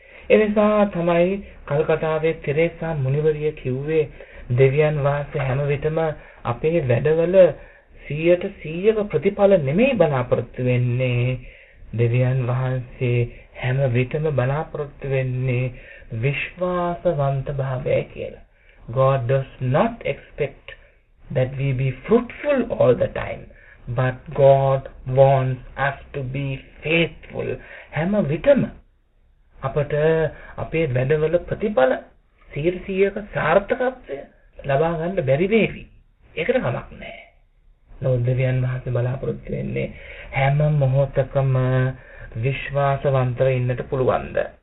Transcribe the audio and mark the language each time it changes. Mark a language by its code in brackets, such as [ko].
[si] එනිසා තමයි කල්කටාවේ තෙරේසා මුනිවරිය කිව්වේ දෙවියන් වහන්සේ හැම විටම අපේ වැඩවල 100%ක ප්‍රතිඵල නෙමෙයි බලාපොරොත්තු වෙන්නේ. දෙවියන් වහන්සේ හැම විටම බලාපොරොත්තු වෙන්නේ විශ්වාසවන්ත භාවය කියලා. [en] God does not expect that we be fruitful all the time, but God wants us to be faithful. [si] හැම විටම අපට අපේ වැඩවල ප්‍රතිඵල 100%ක සාර්ථකත්වය ලබා ගන්න බැරි වෙවි. ඒකට කමක් නැහැ. නමුත් දෙවියන් වහන්සේ බලාපොරොත්තු වෙන්නේ හැම මොහොතකම විශ්වාසවන්තව ඉන්නට පුළුවන්ද?